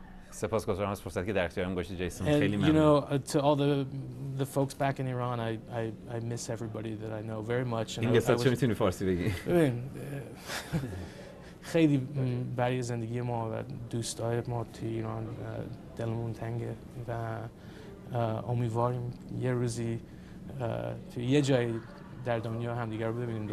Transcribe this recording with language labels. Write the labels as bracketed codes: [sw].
[fa] سپاسگزارم از فرصتی که در اختیارم گذاشتی جیسون، خیلی ممنون. [en] You know, to all the folks back in Iran, I miss everybody that I know very much. [fa] این گفتن چه میتونی فارسی بگی؟ خیلی برای زندگی ما و دوستای ما تو ایران دلمون تنگه و امیدواریم یه روزی تو یه جایی در دنیا همدیگر رو ببینیم.